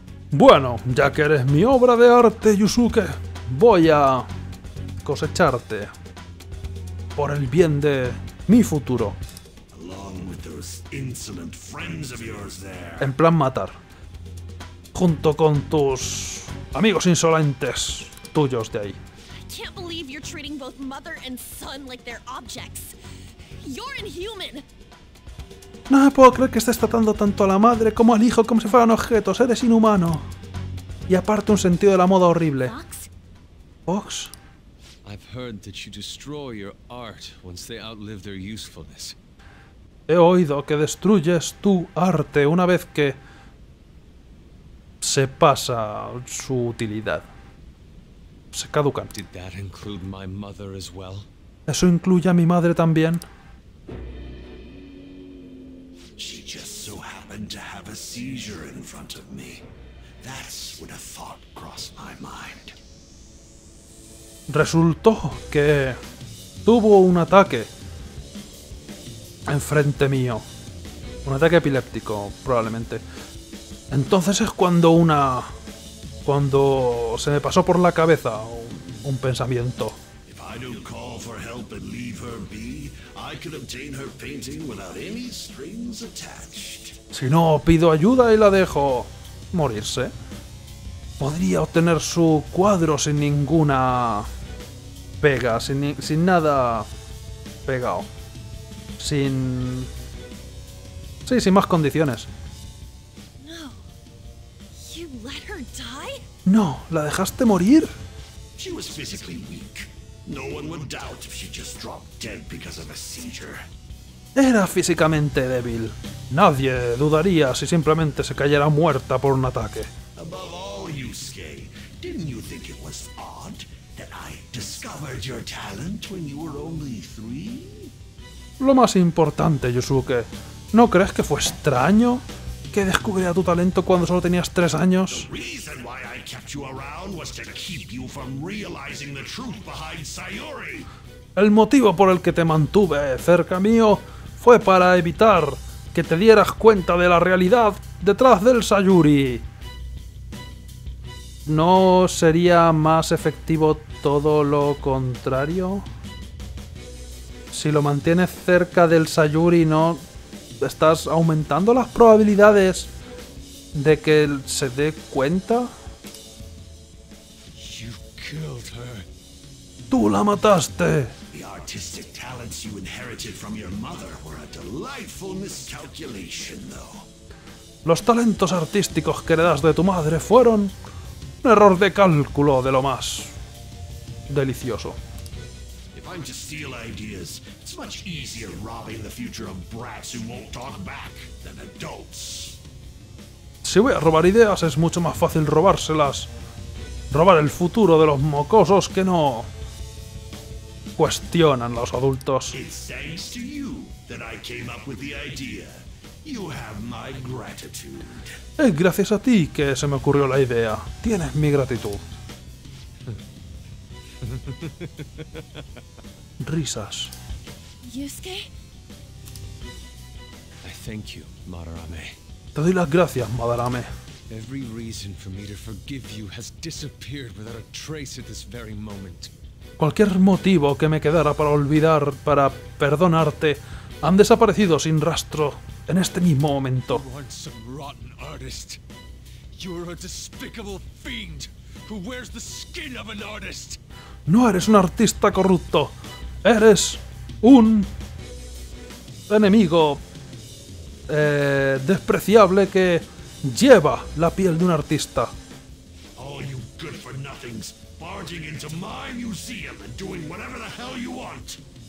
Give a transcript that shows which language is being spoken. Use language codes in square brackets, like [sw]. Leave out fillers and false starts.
[es] Bueno, ya que eres mi obra de arte, Yusuke, voy a cosecharte por el bien de mi futuro. [en] Along with those insolent friends of yours there. [es] En plan matar. Junto con tus amigos insolentes tuyos de ahí. [en] I can't believe you're treating both mother and son like they're objects. You're inhuman. [es] No me puedo creer que estés tratando tanto a la madre como al hijo como si fueran objetos. Eres inhumano. Y aparte un sentido de la moda horrible. [en] Fox. I've heard that you destroy your art once they outlive their usefulness. [es] He oído que destruyes tu arte una vez que se pasa su utilidad. Se caducan. [en] Did that include my mother as well? [es] ¿Eso incluye a mi madre también? [en] She just so happened to have a seizure in front of me. That's when a thought crossed my mind. [es] Resultó que tuvo un ataque enfrente mío. Un ataque epiléptico, probablemente. Entonces es cuando cuando se me pasó por la cabeza un pensamiento. [en] If I don't call for help and leave her be, I can obtain her painting without any strings attached. [es] Si no pido ayuda y la dejo morirse, podría obtener su cuadro sin ninguna pega, sin nada pegado. Sin... sí, sin más condiciones. [en] No. You let her die? [es] No, ¿la dejaste morir? [en] She was physically weak. No one would doubt if she just dropped dead because of a seizure. [es] Era físicamente débil. Nadie dudaría si simplemente se cayera muerta por un ataque. [en] Above all, Yusuke, didn't you think it was odd that I discovered your talent when you were only three? [es] Lo más importante, Yusuke, ¿no crees que fue extraño que descubriera tu talento cuando solo tenías 3 años? [en] The reason why I kept you around was to keep you from realizing the truth behind Sayori. [es] El motivo por el que te mantuve cerca mío fue para evitar que te dieras cuenta de la realidad detrás del Sayori. ¿No sería más efectivo todo lo contrario? Si lo mantienes cerca del Sayori, ¿no estás aumentando las probabilidades de que él se dé cuenta? [en] You killed her. [es] ¡Tú la mataste! [en] The artistic talents you inherited from your mother were a delightful miscalculation, though. [es] Los talentos artísticos que heredas de tu madre fueron un error de cálculo de lo más delicioso. [en] trying to steal ideas. It's much easier robbing the future of brats who won't talk back than adults. [es] Si voy a robar ideas, es mucho más fácil robárselas. Robar el futuro de los mocosos que no cuestionan los adultos. [en] It's thanks to you that I came up with the idea. You have my gratitude. [es] Es gracias a ti que se me ocurrió la idea. Tienes mi gratitud. Risas. [en] Yusuke? I thank you, Madarame. [es] Te doy las gracias, Madarame. [en] Every reason for me to forgive you has disappeared without a trace at this very moment. [es] Cualquier motivo que me quedara para olvidar, para perdonarte, han desaparecido sin rastro en este mismo momento. [en] You aren't some rotten artist. You're a despicable fiend who wears the skin of an artist. [es] No eres un artista corrupto. Eres un enemigo despreciable que lleva la piel de un artista. [en] All you good for nothings, barging into my museum and doing whatever the hell you want.